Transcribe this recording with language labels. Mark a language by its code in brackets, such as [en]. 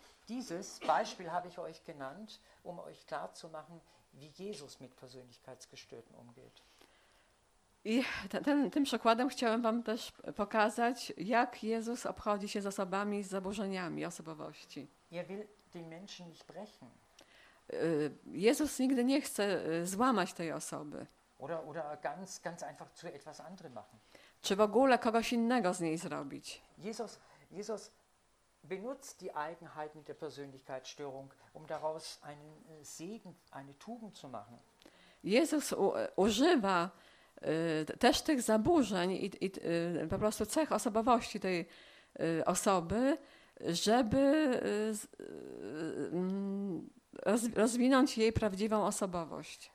[de] Dieses Beispiel habe ich euch genannt, um euch klar zu machen, wie Jesus mit Persönlichkeitsgestörten umgeht. [pl] I tym przykładem chciałem wam też pokazać, jak Jezus obchodzi się z osobami z zaburzeniami osobowości. [de] Er will den Menschen nicht brechen. [pl] Jezus nigdy nie chce złamać tej osoby. [de] Oder ganz, ganz einfach zu etwas anderem machen. [pl] Czy w ogóle kogoś innego z niej zrobić. [de] Jezus benutzt die Eigenheiten der Persönlichkeitsstörung, um daraus einen Segen, eine Tugend zu machen. [pl] Jezus używa też tych zaburzeń i po prostu cech osobowości tej osoby, żeby rozwinąć jej prawdziwą osobowość.